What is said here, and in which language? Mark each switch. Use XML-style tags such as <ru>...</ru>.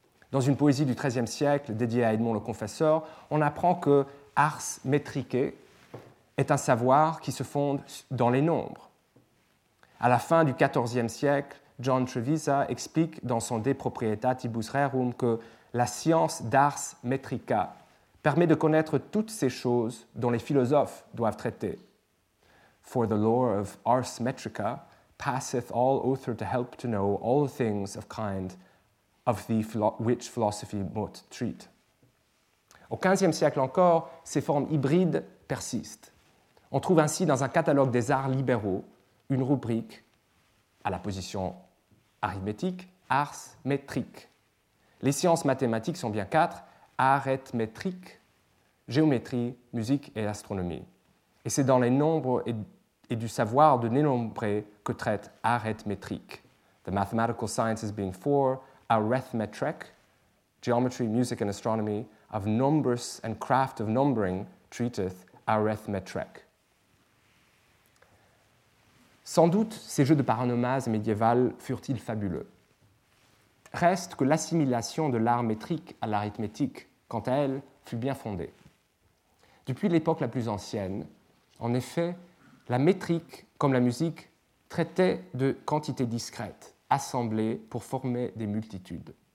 <fr>Dans une poésie du XIIIe siècle dédiée à Edmond le Confesseur, on apprend que ars métrique est un savoir qui se fonde dans les nombres. À la fin du XIVe siècle, John Trevisa explique dans son De proprietatibus rerum que la science d'ars metrica permet de connaître toutes ces choses dont les philosophes doivent traiter.</fr> <en>For the lore of ars metrica passeth all other to help to know all things of kind of the which philosophy mote treat.</en> <fr>Au XVe siècle encore, ces formes hybrides persistent. On trouve ainsi dans un catalogue des arts libéraux une rubrique à la position arithmétique, ars métrique. Les sciences mathématiques sont bien quatre, arithmétrique, géométrie, musique et astronomie. Et c'est dans les nombres et du savoir de dénombrer que traite arithmétrique.</fr> <en>The mathematical sciences being four, arithmetric, geometry, music and astronomy, of numbers and craft of numbering treateth arithmetric.</en> <fr>Sans doute, ces jeux de paronomase médiévales furent-ils fabuleux. Reste que l'assimilation de l'art métrique à l'arithmétique, quant à elle, fut bien fondée. Depuis l'époque la plus ancienne, en effet, la métrique, comme la musique, traitait de quantités discrètes, assemblées pour former des multitudes.</fr>